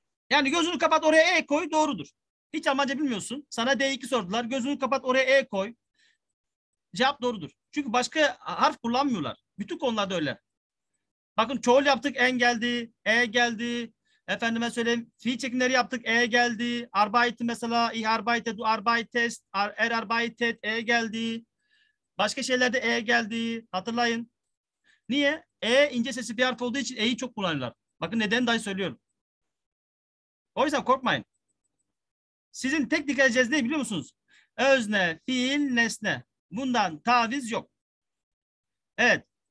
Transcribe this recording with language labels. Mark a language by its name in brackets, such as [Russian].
[Turkish] Yani gözünü kapat, oraya e koy, doğrudur. Hiç Almanca bilmiyorsun. Sana D2 sordular. Gözünü kapat, oraya e koy. Cevap doğrudur. Çünkü başka harf kullanmıyorlar. Bütün konularda öyle. Bakın çoğul yaptık, en geldi, e geldi. Efendime söyleyeyim, fiil çekimleri yaptık, e geldi. [German] Arbeit mesela, ich arbeite, du arbeitest, er arbeitet, [Turkish] e geldi. Başka şeylerde e geldi. Hatırlayın. Niye? E ince sesli bir harf olduğu için e'yi çok kullanırlar. Bakın neden dahi söylüyorum. O yüzden korkmayın. Sizin tek dikkat edeceğiniz ne biliyor musunuz? Özne, fiil, nesne. Bundan taviz yok. Evet.